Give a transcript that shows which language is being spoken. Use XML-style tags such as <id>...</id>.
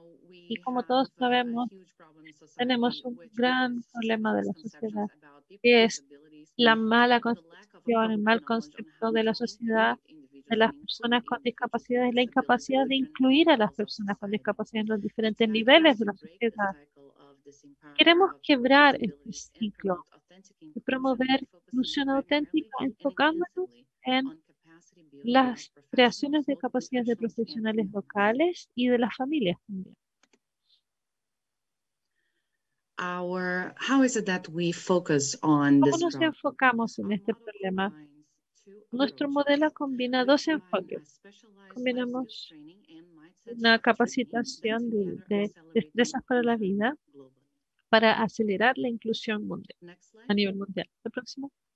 <es>Y como todos sabemos, tenemos un gran problema de la sociedad, que es la mala concepción, el mal concepto de la sociedad de las personas con discapacidad y la incapacidad de incluir a las personas con discapacidad en los diferentes niveles de la sociedad. Queremos quebrar este ciclo y promover inclusión auténtica enfocándonos en las creaciones de capacidades de profesionales locales y de las familias también.</es> <en>How is it that we focus on this?</en> <es>¿Cómo nos enfocamos en este problema? Nuestro modelo combina dos enfoques. Combinamos una capacitación de destrezas para la vida para acelerar la inclusión mundial, a nivel mundial. La próxima.</es>